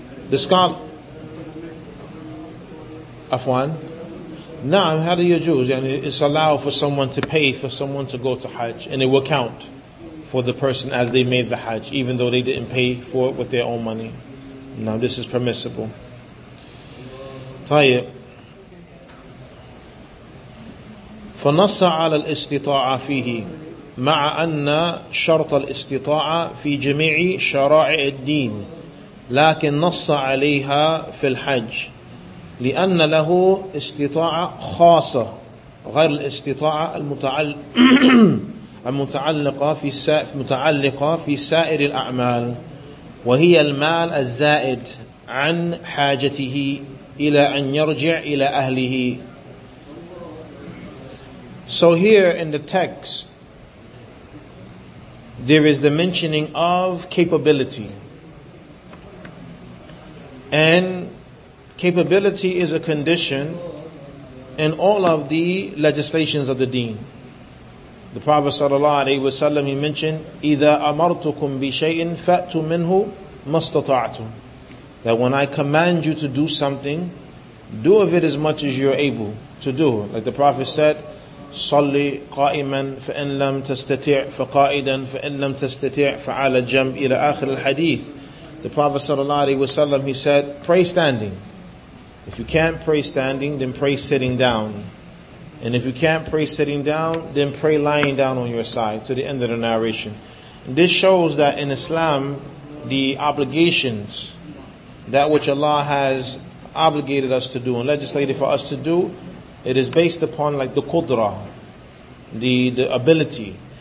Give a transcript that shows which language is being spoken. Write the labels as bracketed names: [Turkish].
[English] The scholar, Afwan, Naam, how do you Jews? And it's allowed for someone to pay for someone to go to Hajj, and it will count for the person as they made the Hajj, even though they didn't pay for it with their own money. Now this is permissible. [Arabic] طيب فنص على الاستطاعة فيه مع أن شرط الاستطاعة في جميع شرائع الدين لكن نص عليها في الحج لأن له استطاعة خاصة غير الاستطاعة المتعلقة في سائر الأعمال وهي المال الزائد عن حاجته إلى أن يرجع إلى أهله. [English] So here in the text, there is the mentioning of capability. And capability is a condition in all of the legislations of the deen. The Prophet sallallahu alaihi wasallam, he mentioned, [Arabic] إِذَا أَمَرْتُكُمْ بِشَيْءٍ فَأْتُ مِنْهُ مَا اسْتَطَعْتُمْ. [English] That when I command you to do something, Do of it as much as you're able to do. [Arabic] Like the Prophet said, صلي قائما فإن لم تستطيع فقائدا فإن لم تستطيع فعلى جنب إلى آخر الحديث. [English] The Prophet sallallahu alaihi wasallam, he said, pray standing. If you can't pray standing, then pray sitting down. And if you can't pray sitting down, then pray lying down on your side, to the end of the narration. And this shows that in Islam, the obligations, that which Allah has obligated us to do and legislated for us to do, it is based upon like the qudra, the ability.